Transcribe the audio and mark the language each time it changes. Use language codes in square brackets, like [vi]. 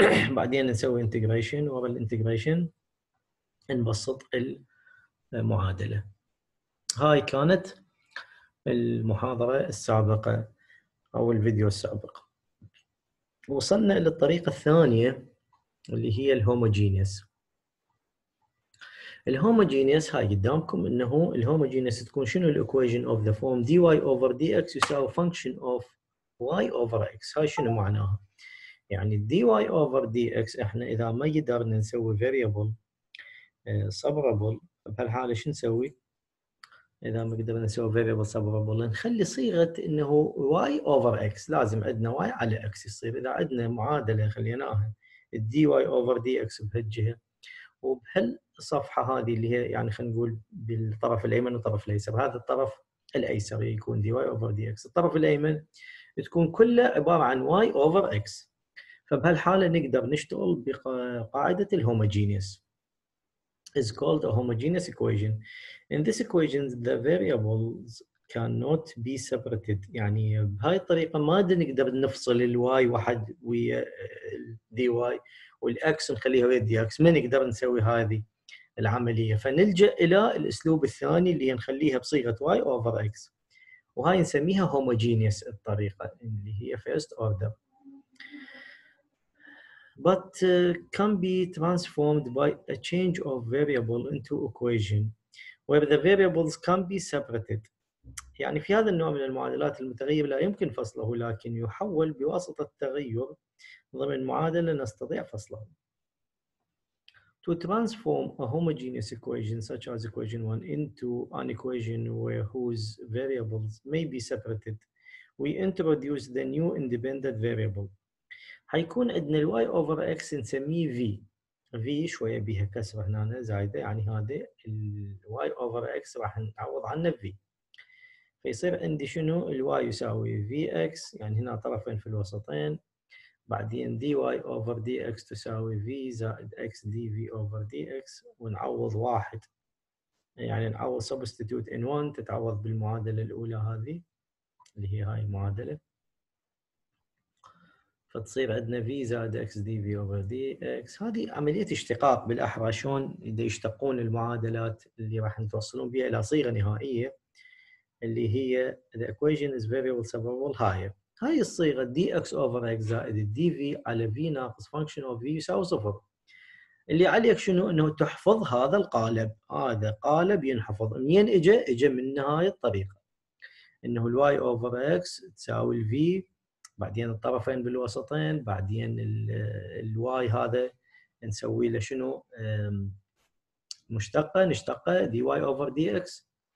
[ar] بعدين نسوي انتجريشن، ورا الانتجريشن نبسط المعادلة. هاي كانت المحاضرة السابقة أو الفيديو السابق. وصلنا للطريقة الثانية اللي هي الهوموجينيس. الهوموجينيس هاي قدامكم، إنه الهوموجينيس تكون شنو؟ الإكويجن [en] of the form dy over dx [ar] يساوي [en] function of y over x. [ar] هاي شنو معناها؟ يعني dy over dx احنا اذا ما قدرنا نسوي variable separable بهالحالة شو نسوي؟ اذا ما قدرنا نسوي variable separable نخلي صيغة انه y over x، لازم عندنا y على x يصير. اذا عندنا معادلة خليناها dy over dx بهالجهة وبهالصفحة هذه اللي هي يعني خلينا نقول بالطرف الايمن والطرف الايسر، هذا الطرف الايسر يكون dy over dx، الطرف الايمن تكون كلها عبارة عن y over x. فبهالحالة نقدر نشتغل بقاعدة الهوموجينيس. [en] It's called a homogeneous equation. In this equation, the variables cannot be separated. [ar] يعني بهاي الطريقة ما نقدر نفصل ال y واحد ويا dy وال x نخليها ويا dx. ما نقدر نسوي هذه العملية. فنلجأ إلى الأسلوب الثاني اللي نخليها بصيغة y over x. وهاي نسميها homogeneous الطريقة اللي هي [en] first order. But can be transformed by a change of variable into equation where the variables can be separated. [ar] يعني في هذا النوع من المعادلات المتغير لا يمكن فصله، لكن يحول بواسطة تغير ضمن معادلة نستطيع فصله. [en] To transform a homogeneous equation such as equation 1 into an equation where whose variables may be separated, we introduce the new independent variable. [ar] هيكون عندنا ال y over x نسميه v. v شوية بيها كسرة هنا زايدة، يعني هذا ال y over x راح نعوض عنه v. فيصير عندي شنو؟ ال y يساوي vx، يعني هنا طرفين في الوسطين. بعدين dy over dx تساوي v زائد x dv over dx، ونعوض واحد، يعني نعوض [en] substitute in one، [ar] تتعوض بالمعادلة الأولى هذه اللي هي هاي المعادلة. فتصير عندنا v زائد x dv over dx. هذه عملية اشتقاق بالأحرى، شلون إذا يشتقون المعادلات اللي راح نتوصلون بها إلى صيغة نهائية اللي هي [en] the equation is variable separable higher. [ar] هاي الصيغة dx over x زائد dv على v ناقص function of v يساوي صفر. اللي عليك شنو؟ أنه تحفظ هذا القالب، هذا قالب ينحفظ. منين إجا؟ إجا من نهاية الطريقة، أنه ال y over x تساوي ال v، بعدين الطرفين بالوسطين، بعدين ال y هذا نسوي له شنو؟ مشتقة، نشتقة dy over dx.